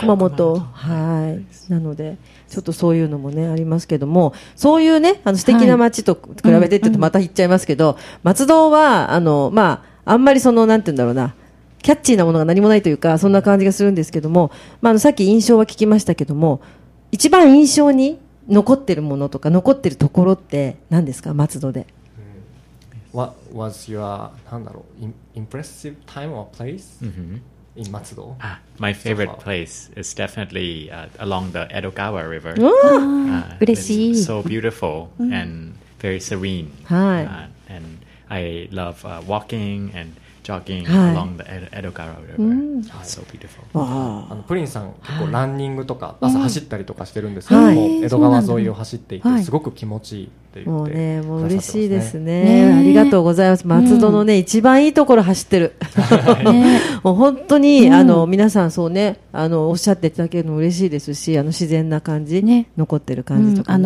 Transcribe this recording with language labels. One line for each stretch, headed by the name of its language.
Japanese: 熊本、はい、なのでちょっとそういうのもねありますけども、そういうね、あの素敵な街と比べてちょっとまた言っちゃいますけど、はい、うんうん、松戸はあの、まあ、あんまりそのなんて言うんだろうな、キャッチーなものが何もないというか、そんな感じがするんですけども、まあ、あのさっき印象は聞きましたけども、一番印象に残ってるものとか残ってるところって何ですか、松戸で。
English: What was your,
Japanese: 何だろう、
English: impressive time or place、 mm-hmm. in Matsudo? My favorite place is definitely along the Edogawa River. It's so beautiful and very serene. And I love walking and jogging along the Edogawa River. It's so beautiful.
Japanese: あのプリンさん、結構ランニングとか朝走ったりとかしてるんですけども、江戸川沿いを走っていてすごく気持ちいい。もうね、もう嬉しいですね。ありがとうございます。松戸のね、うん、一番いいところ走ってる。ね、もう本当に、うん、あの皆さんそうね、あのおっしゃっていただけるの嬉しいですし、あの自然な感じ、ね、残ってる感じとか、ね、う